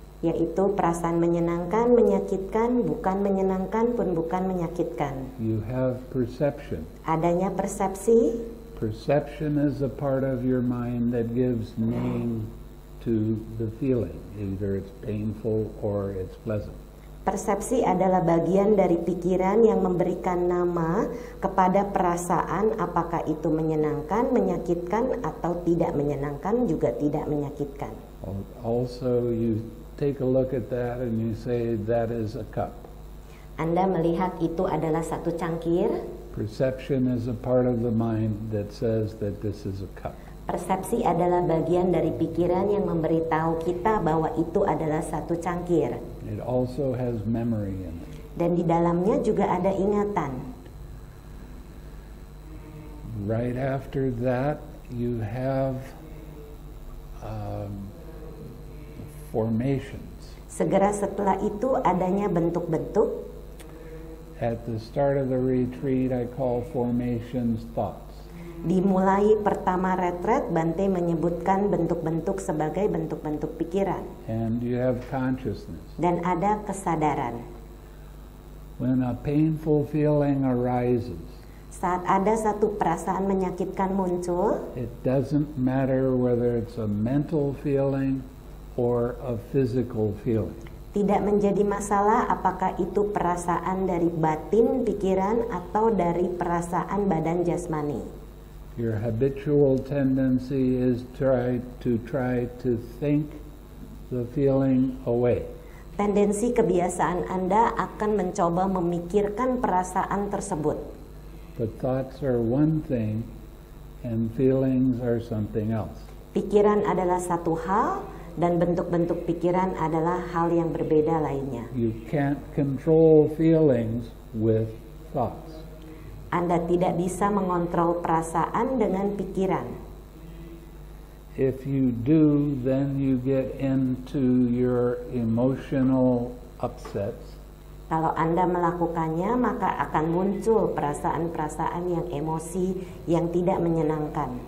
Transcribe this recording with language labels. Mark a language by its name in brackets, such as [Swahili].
[Indonesian] Yaitu perasaan menyenangkan, menyakitkan, bukan menyenangkan pun bukan menyakitkan. [English] You have perception. [Indonesian] Adanya persepsi. [English] Perception is a part of your mind that gives name to the feeling, either it's painful or it's pleasant. [Indonesian] Persepsi adalah bagian dari pikiran yang memberikan nama kepada perasaan, apakah itu menyenangkan, menyakitkan atau tidak menyenangkan, juga tidak menyakitkan. [English] Also you take a look at that and you say that is a cup. [Indonesian] Anda melihat itu adalah satu cangkir. [English] Perception is a part of the mind that says that this is a cup. [Indonesian] Persepsi adalah bagian dari pikiran yang memberitahu kita bahwa itu adalah satu cangkir. [English] It also has memory in it. [Indonesian] Dan di dalamnya juga ada ingatan. [English] Right after that you have formations. [Indonesian] Segera setelah itu adanya bentuk-bentuk. [English] At the start of the retreat, I call formations thoughts. [Indonesian] Dimulai pertama retret, Bante menyebutkan bentuk-bentuk sebagai bentuk-bentuk pikiran. [English] And you have consciousness. [Indonesian] Dan ada kesadaran. [English] When a painful feeling arises. [Indonesian] Saat ada satu perasaan menyakitkan muncul. [English] It doesn't matter whether it's a mental feeling or a physical feeling. [Indonesian] Tidak menjadi masalah apakah itu perasaan dari batin pikiran atau dari perasaan badan jasmani. [English] Your habitual tendency is try to think the feeling away. [Indonesian] Tendensi kebiasaan Anda akan mencoba memikirkan perasaan tersebut. [English] But thoughts are one thing and feelings are something else. [Indonesian] Pikiran adalah satu hal dan bentuk-bentuk pikiran adalah hal yang berbeda lainnya. [English] You can't control feelings with thoughts. [Indonesian] Anda tidak bisa mengontrol perasaan dengan pikiran. [English] If you do, then you get into your emotional upsets. [Indonesian] Kalau Anda melakukannya, maka akan muncul perasaan-perasaan yang emosi yang tidak menyenangkan.